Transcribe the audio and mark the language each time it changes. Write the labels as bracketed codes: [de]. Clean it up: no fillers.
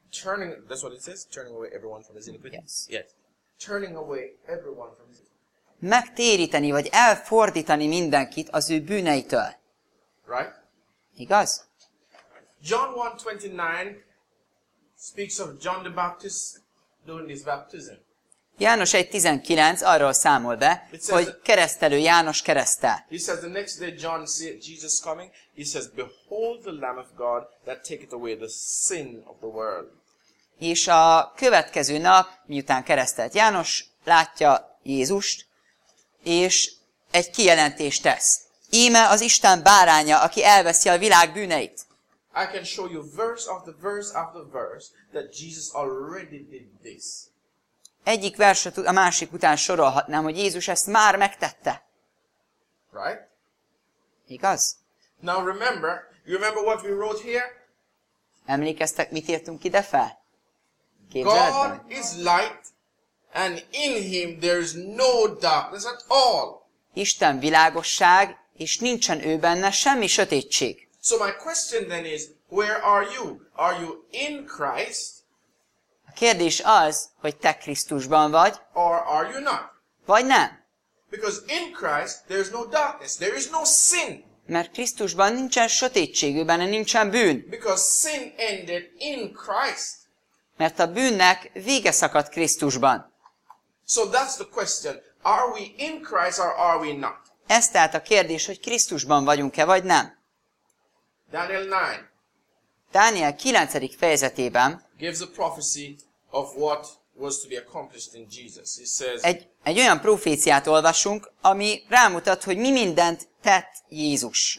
[en] Turning, that's what it says, turning away everyone from his iniquity. Yes. Turning away everyone from his iniquity. [hu] Megtéríteni, vagy elfordítani mindenkit az ő bűneitől. [en] Right? [hu] Igaz? [en] John 1:29 speaks of John the Baptist doing his baptism. [hu] János 1:19 arról számol be, hogy keresztelő János keresztel. [en] He says the next day John see Jesus coming. He says, behold the Lamb of God that taketh away the sin of the world. [hu] És a következő nap, miután keresztelt János, látja Jézust, és egy kijelentést tesz. Íme az Isten báránya, aki elveszi a világ bűneit. [en] I can show you verse after verse after verse that Jesus already did this. [hu] Egyik verset a másik után sorolhatnám, hogy Jézus ezt már megtette. [en] Right? [hu] Igaz? [en] Now remember, you remember what we wrote here? [hu] Emlékeztek, mit írtunk ide fel? Képzeled? [en] God is light, and in him there is no darkness at all. [hu] Isten világosság, és nincsen ő benne semmi sötétség. [en] So my question then is, where are you? Are you in Christ? [hu] Kérdés az, hogy te Krisztusban vagy, [en] or are you not? [hu] Vagy nem. [en] Because in Christ there is no darkness, there is no sin. [hu] Mert Krisztusban nincsen sötétség, benne nincsen bűn. [en] Because sin ended in Christ. [hu] Mert a bűnnek vége szakadt Krisztusban. [en] So that's the question. Are we in Christ or are we not? [hu] Ez tehát a kérdés, hogy Krisztusban vagyunk-e, vagy nem. [en] Daniel 9. [hu] Dániel 9. fejezetében [en] gives a prophecy of what was to be accomplished in Jesus. He says, [hu] egy olyan proféciát olvasunk, ami rámutat, hogy mi mindent tett Jézus.